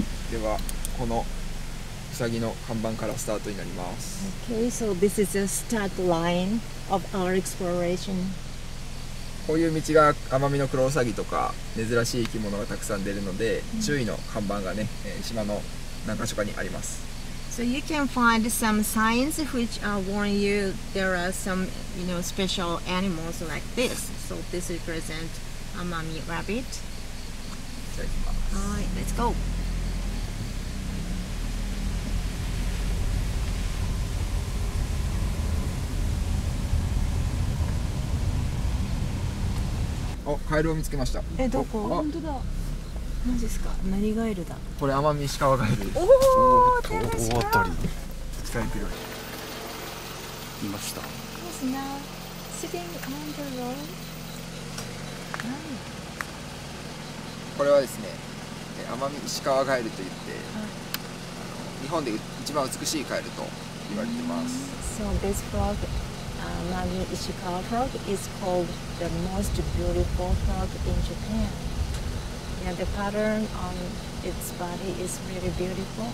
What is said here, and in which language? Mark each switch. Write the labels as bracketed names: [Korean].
[Japanese] では、このウサギの看板からスタートになります。 [English] Okay, so this is the start line of our exploration. [Japanese] こういう道が奄美のクロウサギとか珍しい生き物がたくさん出るので、注意の看板がね、島の何か所かにあります。 [English] So you can find some signs which warn you there are some, you know, special animals like this. So this represents Amami rabbit. [Japanese] じゃあ行きます。はい、 [English] Let's go. [Japanese] カエルを見つけました。え、どこ？本当だ。何ですか？ナリガエルだ。これ奄美石川ガエルです。おー、出ました。大当たり。スタイプロイいました。 [English] He is now sitting on the road. [Japanese] 何？これはですね、奄美石川ガエルといって、はい、日本で一番美しいカエルと言われてます。 [English] So this frog Amami Ishikawa frog is called the most beautiful frog in Japan. And the pattern on its body is really beautiful.